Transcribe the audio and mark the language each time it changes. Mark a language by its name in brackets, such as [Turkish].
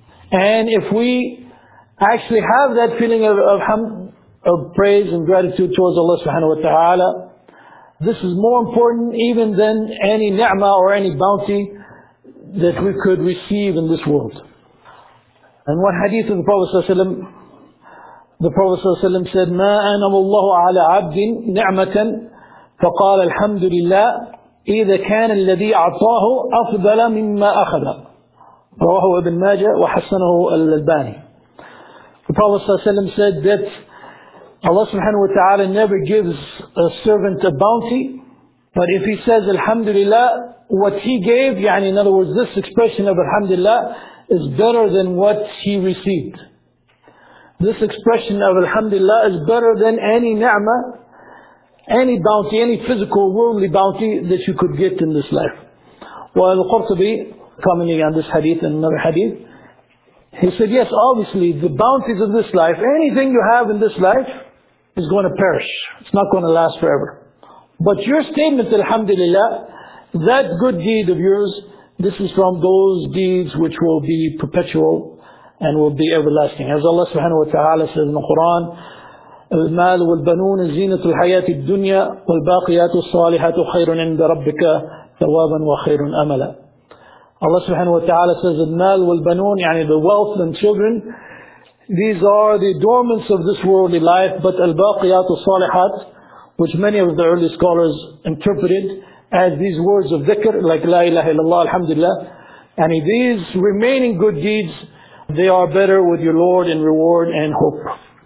[English] And if we actually have that feeling of hamd, of praise and gratitude towards Allah subhanahu wa ta'ala, this is more important even than any ni'mah or any bounty that we could receive in this world. And one hadith of the Prophet ﷺ said, [Arabic] مَا أَنَمُ اللَّهُ عَلَىٰ عَبْدٍ نِعْمَةً فَقَالَ الْحَمْدُ لِلَّهِ إِذَا كَانَ الَّذِي أَعْطَاهُ أَفْضَلَ مِمَّا أَخَذَ. رواه ابن ماجه وحسنه الألباني. [English] The Prophet ﷺ said that Allah subhanahu wa ta'ala never gives a servant a bounty, but if he says Alhamdulillah, what he gave, يعني in other words, this expression of Alhamdulillah is better than what he received. This expression of Alhamdulillah is better than any ni'mah, any bounty, any physical worldly bounty that you could get in this life. Well, Al-Qurtubi, commenting on this hadith and another hadith, he said, yes, obviously the bounties of this life, anything you have in this life is going to perish. It's not going to last forever. But your statement, Alhamdulillah, that good deed of yours, this is from those deeds which will be perpetual and will be everlasting. As Allah subhanahu wa ta'ala says in the Quran, [Arabic] المال والبنون زينة الحياة الدنيا والباقيات الصالحات خير عند ربك ثوابا وخير أملا. [English] Allah subhanahu wa ta'ala says, [Arabic] المال والبنون, [English] يعني the wealth and children, these are the adornments of this worldly life, but [Arabic] الباقيات الصالحات, [English] which many of the early scholars interpreted as these words of dhikr, like la ilaha illallah, alhamdulillah, and these remaining good deeds, they are better with your Lord in reward and hope.